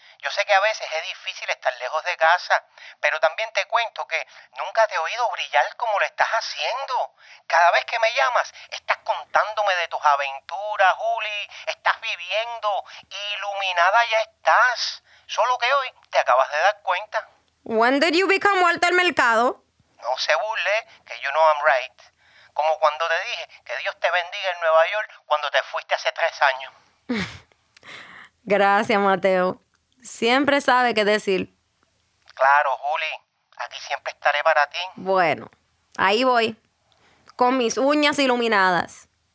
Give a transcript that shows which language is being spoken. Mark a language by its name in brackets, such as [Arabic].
[Spanish] Yo sé que a veces es difícil estar lejos de casa, pero también te cuento que nunca te he oído brillar como lo estás haciendo. Cada vez que me llamas, estás contándome de tus aventuras, Julie. Estás viviendo. Iluminada ya estás. Solo que hoy te acabas de dar cuenta. [English] When did you become Walter Mercado? [Spanish] No se burle, que [English] you know I'm right. [Spanish] Como cuando te dije que Dios te bendiga en Nueva York cuando te fuiste hace 3 años. Gracias, Mateo. Siempre sabe qué decir. Claro, Juli. Aquí siempre estaré para ti. Bueno, ahí voy. Con mis uñas iluminadas.